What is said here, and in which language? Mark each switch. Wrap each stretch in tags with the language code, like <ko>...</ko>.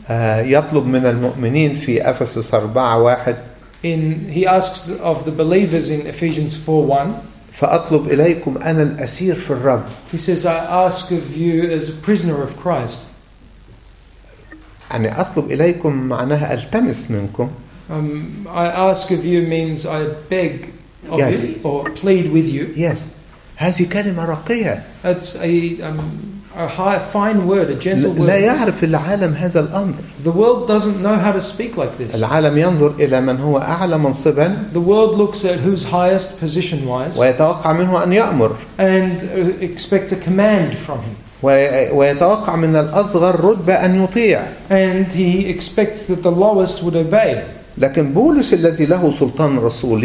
<ar>يطلب من المؤمنين في أفسس 4:1.</ar> <en>He asks of the believers in Ephesians 4:1.</en> <ar>فأطلب إليكم أنا الأسير في الرب.</ar> <en>He says, I ask of you as a prisoner of Christ.</en> <ar>يعني أطلب إليكم معناها ألتمس منكم.</ar> <en>I ask of you means I beg of yes. you or plead with you. Yes.</en> <ar>هذه كلمة رقية.</ar> <en>That's a A high, fine word, a gentle word.</en> <ar>لا يعرف العالم هذا الأمر.</ar> <en>The world doesn't know how to speak like this.</en> <ar>العالم ينظر إلى من هو أعلى منصبا.</ar> <en>The world looks at who's highest position wise.</en> <ar>ويتوقع منه أن يأمر.</ar> <en>And expect a command from him.</en> <ar>ويتوقع من الأصغر رتبة أن يطيع.</ar> <en>And he expects that the lowest would obey.</en> <ar>لكن بولس الذي له سلطان رسولي.</ar>